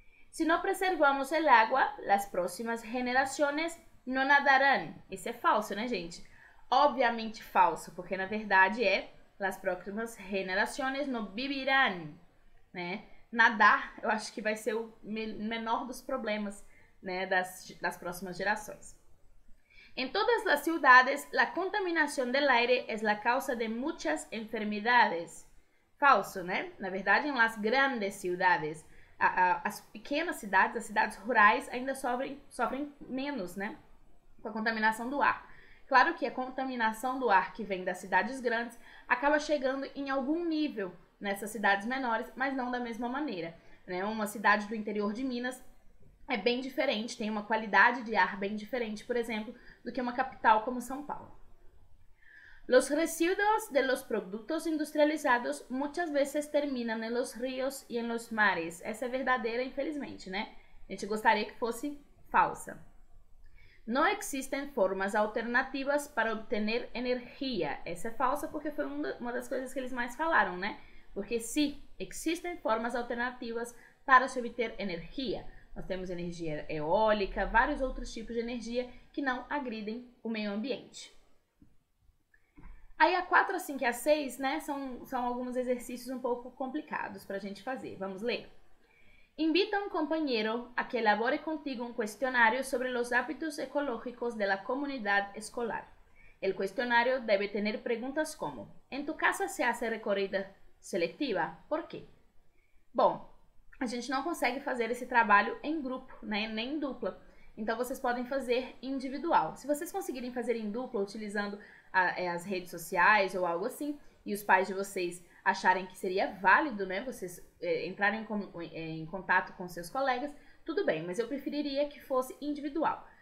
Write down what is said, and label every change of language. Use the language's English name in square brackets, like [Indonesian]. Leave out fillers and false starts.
[Portuguese] Se não preservamos [Spanish] el agua, [Portuguese] as próximas generaciones não nadarão. Isso é falso, né, gente? Obviamente falso, porque na verdade é [Spanish] las próximas generaciones no vivirán, [Portuguese] né? Nadar, eu acho que vai ser o menor dos problemas, né, das próximas gerações. Em todas as [Spanish] ciudades, la contaminación del aire es la causa de muchas enfermedades. [Portuguese] Falso, né? Na verdade, em [Spanish] las grandes ciudades, [Portuguese] as pequenas cidades, as cidades rurais ainda sofrem menos, né, com a contaminação do ar. Claro que a contaminação do ar que vem das cidades grandes acaba chegando em algum nível nessas cidades menores, mas não da mesma maneira, né? Uma cidade do interior de Minas é bem diferente, tem uma qualidade de ar bem diferente, por exemplo, do que uma capital como São Paulo. [Spanish] Los residuos de los productos industrializados muchas veces terminan en los ríos y en los mares. [Portuguese] Essa é verdadeira, infelizmente, né? A gente gostaria que fosse falsa. Não existem formas alternativas para obter energia. Essa é falsa porque foi uma das coisas que eles mais falaram, né? Porque sim, existem formas alternativas para se obter energia. Nós temos energia eólica, vários outros tipos de energia que não agridem o meio ambiente. Aí a 4, a 5 e a 6, né, são alguns exercícios um pouco complicados para a gente fazer. Vamos ler. [Spanish] Invita a un compañero a que elabore contigo un cuestionario sobre los hábitos ecológicos de la comunidad escolar. El cuestionario debe tener preguntas como: ¿En tu casa se hace recorrida selectiva? ¿Por qué? [Portuguese] Bom, a gente não consegue fazer esse trabalho em grupo, né, nem em dupla. Então, vocês podem fazer individual. Se vocês conseguirem fazer em dupla, utilizando as redes sociais ou algo assim, e os pais de vocês acharem que seria válido, né, vocês entrarem em contato com seus colegas, tudo bem, mas eu preferiria que fosse individual.